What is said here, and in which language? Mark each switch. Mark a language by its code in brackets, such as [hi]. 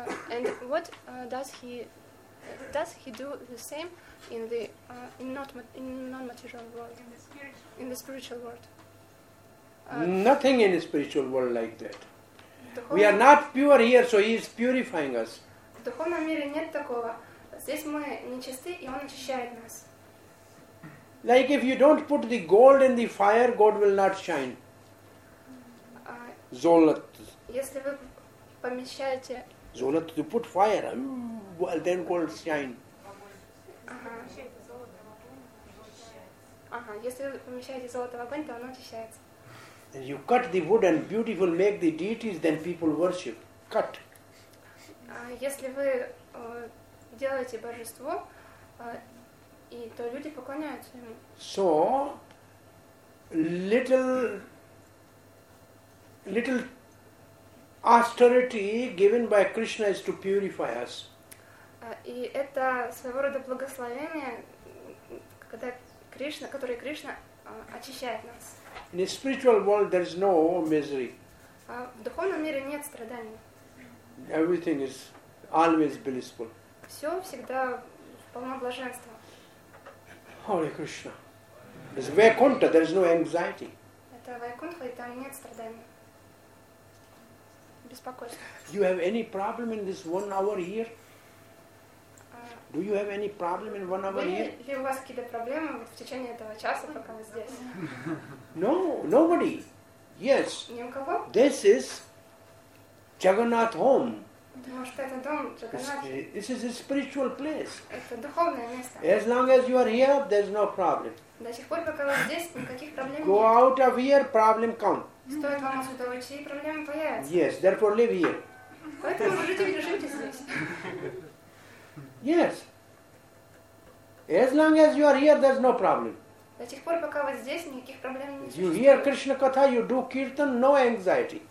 [en] And what does he do the same in the non-material world? In the spiritual world. Nothing in the spiritual world like that. We are not pure here, so he is purifying us. [ru] В духовном мире нет такого. Здесь мы нечисты, и он очищает нас. [en] Like if you don't put the gold in the fire, gold will not shine. [ru] Золото. Если вы помещаете... [en] Золото, you put fire, well, then gold shine. [ru] Если вы помещаете золото в огонь, то оно очищается. [en] And you cut the wood and beautiful make the deities, then people worship. Cut. [ru] Если вы делаете божество, и то люди поклоняются ему. [en] So, little austerity given by Krishna is to purify us. [ru] И это своего рода благословение, когда Кришна, который Кришна очищает нас. [en] In the spiritual world, there is no misery. [ru] В духовном мире нет страданий. [en] Everything is always blissful. [ru] Все всегда полно блаженства. [en] Holy Krishna. It's Vaikuntha, there is no anxiety. [ru] Это Вайкунтха, и там нет страданий. Беспокойство. [en] You have any problem in this 1 hour here? Do you have any problem in 1 hour here? [ru] Ли у вас какие-то проблемы в течение этого часа, пока вы здесь? [en] No, nobody. Yes. [ru] Ни у кого? [en] This is Jagannath home. [ru] Может, это дом Джагнатха? [en] This is a spiritual place. [ru] Это духовное место. [en] As long as you are here, there's no problem. [ru] До сих пор, пока вы здесь, никаких проблем нет. [en] Go out of here, problem come. [ru] Стоит вам отсюда уйти, и проблемы появятся. [en] Yes, therefore live here. [ru] Поэтому живите или живите здесь. [en] Yes. As long as you are here, there's no problem. [ru] До тех пор, пока вы здесь, никаких проблем не существует. [en] You hear Krishna Katha, you do Kirtan, no anxiety.